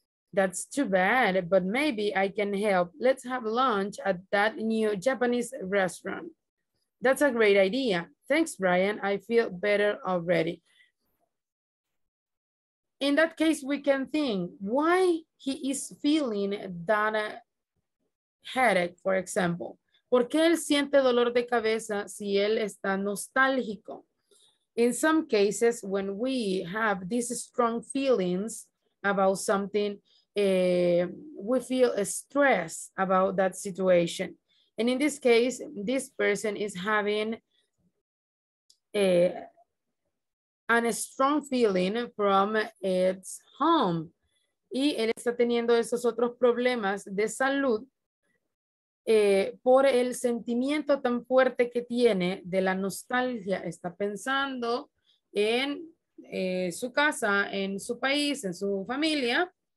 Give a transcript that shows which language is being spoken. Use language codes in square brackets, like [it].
[en] That's too bad, but maybe I can help. Let's have lunch at that new Japanese restaurant. That's a great idea. Thanks, Brian. I feel better already. In that case, we can think why he is feeling that headache, for example. [es] ¿Por qué él siente dolor de cabeza si él está nostálgico? [en] In some cases, when we have these strong feelings about something, we feel stress about that situation. And in this case, this person is having a strong feeling from its home. [es] Y él está teniendo esos otros problemas de salud por el sentimiento tan fuerte que tiene de la nostalgia. Está pensando en su casa, en su país, en su familia.